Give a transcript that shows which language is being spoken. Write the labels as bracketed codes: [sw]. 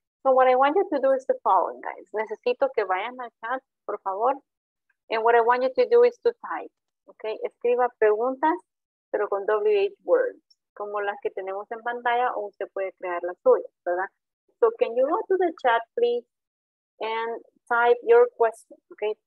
[en] So what I want you to do is the following, guys. [es] Necesito que vayan al chat, por favor. [en] And what I want you to do is to type. [es] Okay. Escriba preguntas, pero con WH words. Como las que tenemos en pantalla, o usted puede crear las suyas, ¿verdad? [en] So, can you go to the chat, please, and type your question, okay?